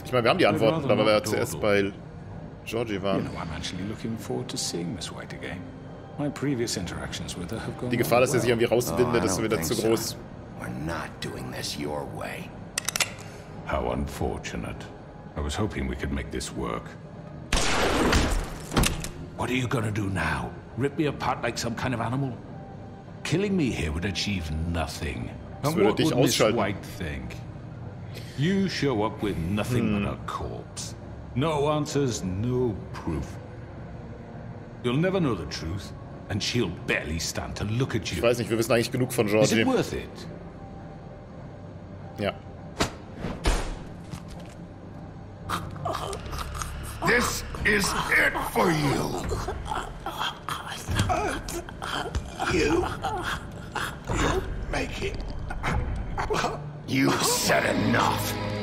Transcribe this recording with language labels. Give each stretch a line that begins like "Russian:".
German: Ich meine, wir haben die Antworten, aber wir zuerst bei Georgie waren.
English: You know, I'm actually looking forward to seeing Miss White again. My previous interactions with her have gone.
German: Die Gefahr, dass er sich irgendwie rauswindet, ist wieder zu groß.
English: We're not doing this your way. How unfortunate. I was hoping we could make this work. What are you gonna do now? Rip me apart like some kind of animal? Killing me here would achieve nothing.
German: Das würde dich ausschalten.
English: White think? You show up with nothing but a corpse. No answers, no proof. You'll never know the truth, and she'll barely stand to look at you.
German: Ich weiß nicht, wir wissen eigentlich genug von Georgie.
English: Is it worth it?
German: Ja.
English: This is it for you. You make it. You've said enough.